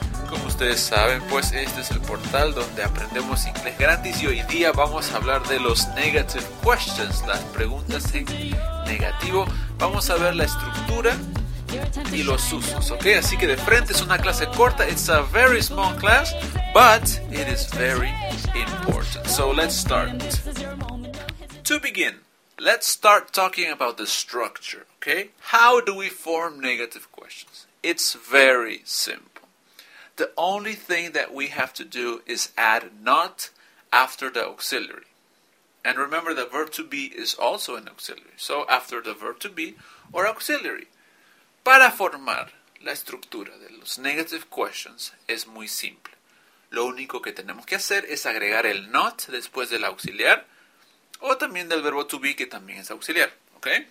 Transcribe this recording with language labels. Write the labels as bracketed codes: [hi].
[es] Como ustedes saben, pues este es el portal donde aprendemos inglés gratis. Y hoy día vamos a hablar de los negative questions, las preguntas en negativo. Vamos a ver la estructura y los usos, ¿ok? Así que de frente es una clase corta. [en] It's a very small class, but it is very important. So let's start. To begin. Let's start talking about the structure, okay? How do we form negative questions? It's very simple. The only thing that we have to do is add not after the auxiliary. And remember, the verb to be is also an auxiliary. So after the verb to be or auxiliary. [es] Para formar la estructura de los negative questions es muy simple. Lo único que tenemos que hacer es agregar el not después del auxiliar. O también del verbo to be, que también es auxiliar, ¿ok?